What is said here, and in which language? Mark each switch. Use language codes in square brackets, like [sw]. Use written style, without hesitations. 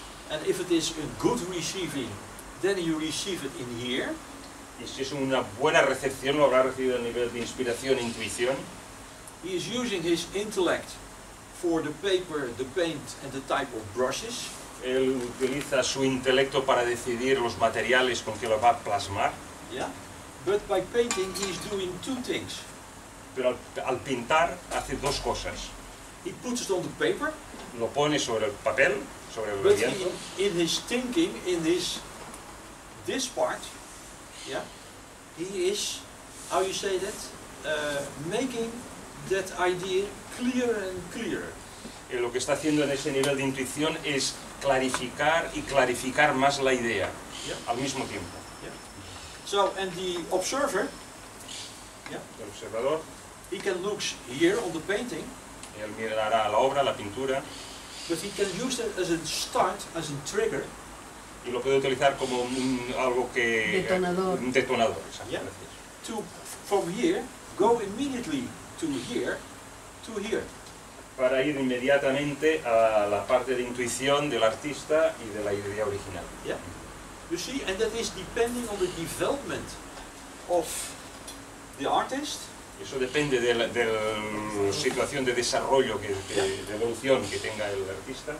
[en] And if it is a good receiving, then you receive it in here. [es] Y si es una buena recepción, lo habrá recibido a nivel de inspiración e intuición. [en] He is using his intellect for the paper, the paint and the type of brushes. [es] Él utiliza su intelecto para decidir los materiales con que lo va a plasmar. [en] Yeah. But by painting he is doing two things. [es] Pero al pintar hace dos cosas. [en] He puts it on the paper. [es] Lo pone sobre el papel, sobre el lienzo. [en] But in his thinking, in his this part, yeah, he is, how you say that, making that idea clearer and clearer. [es] Y lo que está haciendo en ese nivel de intuición es clarificar y clarificar más la idea, [en] yeah, [es] al mismo tiempo. [en] Yeah. So, and the observer, yeah, [es] el observador, [en] he can look here on the painting. [es] Él mirará la obra, la pintura. [en] But he can use it as a start, as a trigger. [es] Y lo puede utilizar como algo que detonador. Un detonador, exacto. [en] Yeah. To from here go immediately to here, to here. [es] Para ir inmediatamente a la parte de intuición del artista y de la idea original. [en] Yeah. You see, and that is depending on the development of the artist. Eso depende de la situación de desarrollo, de evolución que tenga el artista.